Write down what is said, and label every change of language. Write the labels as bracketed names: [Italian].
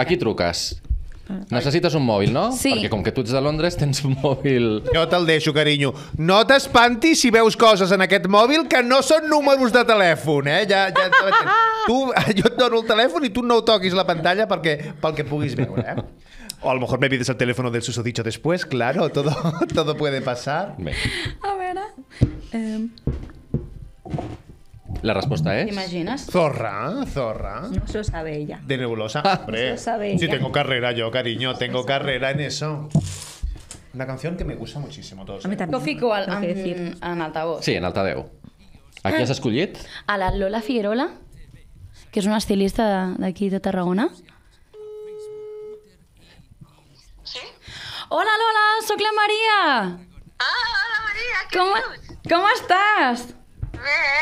[Catalan] Aquí truques. Necessites un mòbil, no? Sí. Perquè com que tu ets de Londres, tens un mòbil... Jo te'l deixo, carinyo. No t'espantis si veus coses en aquest mòbil que no són números de telèfon, eh? Ja tu, jo et dono el telèfon i tu no ho toquis la pantalla perquè pel que puguis veure, eh? [Spanish] O a lo mejor me pides el teléfono del susodicho después, claro, todo puede pasar. [Catalan] Bé. [Spanish] A ver... [Catalan] La resposta és... [Spanish] ¿Imagines? Zorra. No se lo sabe ella. De Nebulosa, hombre. No se lo sabe ella. Sí, tengo carrera yo, cariño, tengo carrera en eso. Una canción que me gusta muchísimo. Todos, a mí también. Lo [Catalan] fico [Spanish] en altavoz. [Catalan] Sí, en altaveu. ¿A qui has escollit? A la Lola Figuerola, que és una estilista d'aquí de Tarragona. Hola, Lola, sóc la Maria. Ah, hola, Maria, com estàs? Bé.